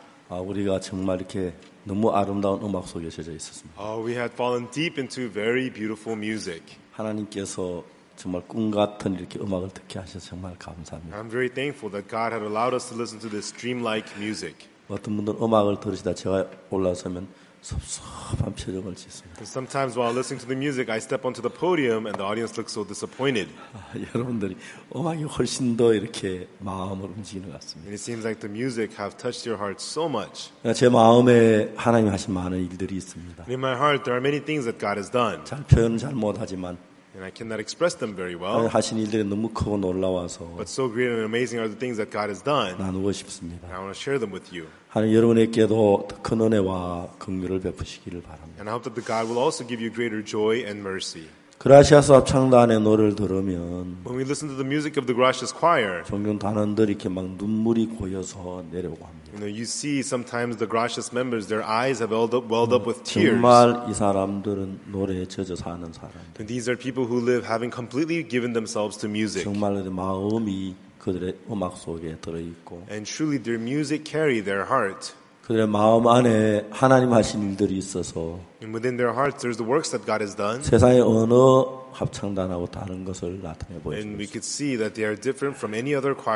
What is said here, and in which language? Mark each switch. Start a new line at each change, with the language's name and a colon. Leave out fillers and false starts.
Korean: 우리가 정말 이렇게 너무 아름다운 음악 속에 젖어 있었습니다.
English: We had fallen deep into very beautiful music.
Korean: 하나님께서 정말 꿈 같은 이렇게 음악을 듣게 하셔서 정말 감사합니다.
English: I'm very thankful that God had allowed us to listen to this dreamlike music.
Korean: 어떤 분들 음악을 들으시다 제가 올라서면 섭섭한 표정을 짓습니다.
English: Sometimes while listening to the music, I step onto the podium and the audience looks so disappointed.
Korean: 여러분들이 음악이 훨씬 더 이렇게 마음을 움직이는 것 같습니다.
English: And it seems like the music have touched your heart so much.
Korean: 제 마음에 하나님 하신 많은 일들이 있습니다.
English: In my heart, there are many things that God has done.
Korean: 잘 표현 잘 못하지만.
English: And I cannot express them very well.
Korean: 하신 일들이 너무 크고 놀라워서.
English: But so great and amazing are the things that God has done.
Korean: 나누고 싶습니다.
English: And I want to share them with you.
Korean: 하나님 여러분에게도 큰 은혜와 긍휼을 베푸시기를 바랍니다.
English: And I hope that the God will also give you greater joy and mercy.
Korean: 그라시아스 합창단의 노래를 들으면
English: When we listen to the music of the Gracious Choir,
Korean: 종종 단원들이 이렇게 막 눈물이 고여서 내려고 합니다.
English: You know, you see sometimes the Gracious members, their eyes have welled up with tears.
Korean: 정말 이 사람들은 노래에 젖어 사는 사람들.
English: And these are people who live having completely given themselves to music.
Korean: 정말 마음이 그들의 음악 속에 들어 있고.
English: And truly, their music carry their heart.
Korean: 그들의 마음 안에 하나님 하신 일들이 있어서 세상의 어느 합창단하고 다른 것을 나타내 보여줍니다.